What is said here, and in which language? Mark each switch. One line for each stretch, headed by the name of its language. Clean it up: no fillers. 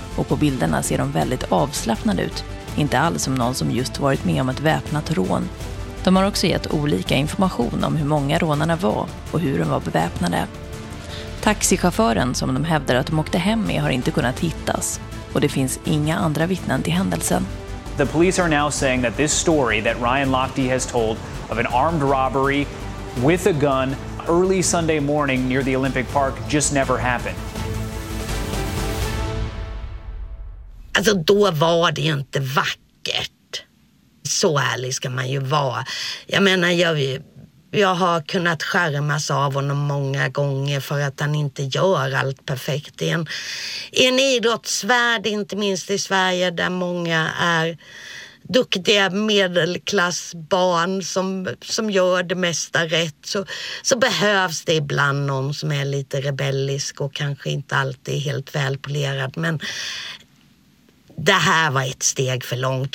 Swedish: Och på bilderna ser de väldigt avslappnade ut. Inte alls som någon som just varit med om ett väpnat rån. De har också gett olika information om hur många rånarna var och hur de var beväpnade. Taxichauffören som de hävdar att de åkte hem med har inte kunnat hittas. Och det finns inga andra vittnen till händelsen.
English: The police are now saying that this story that Ryan Lochte has told of an armed robbery with a gun early Sunday morning near the Olympic Park just never happened.
Swedish: Alltså då var det ju inte vackert. Så ärlig ska man ju vara. Jag menar, jag har kunnat skärmas av honom många gånger för att han inte gör allt perfekt. I en idrottsvärld, inte minst i Sverige, där många är duktiga medelklassbarn som gör det mesta rätt, så behövs det ibland någon som är lite rebellisk och kanske inte alltid helt välpolerad, men det här var ett steg för långt.